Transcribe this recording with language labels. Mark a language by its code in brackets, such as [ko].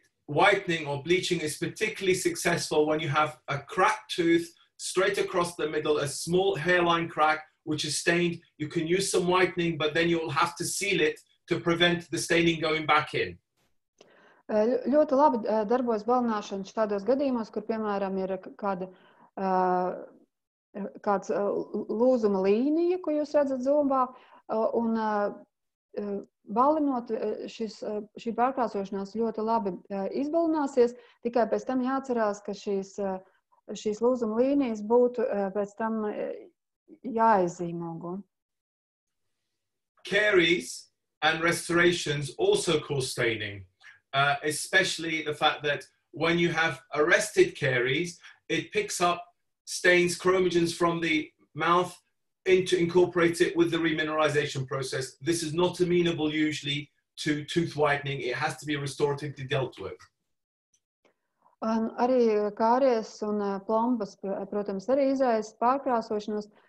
[en] Whitening or bleaching is particularly successful when you have a cracked tooth straight across the middle, a small hairline crack, which is stained. You can use some whitening, but then you'll have to seal it to prevent the staining going back in. [lv] Ļoti labi darbojas balināšana šādos gadījumos, kur, piemēram, ir kāda kāds lūzuma līnija, ko jūs redzat zombā, un balinot šis, šī pārkrāsošanās ļoti labi izbalināsies, tikai pēc tam jāatcerās, ka šīs, šīs lūzuma līnijas būtu pēc tam jāizīmogu. [en] Caries and restorations also cause staining, especially the fact that when you have arrested caries, it picks up stains chromogens from the mouth into incorporate it with the remineralization process. This is not amenable usually to tooth whitening. It has to be restoratively dealt with. [lv] Arī kāries un plombas, protams, arī izraisa pārkrāsošanos.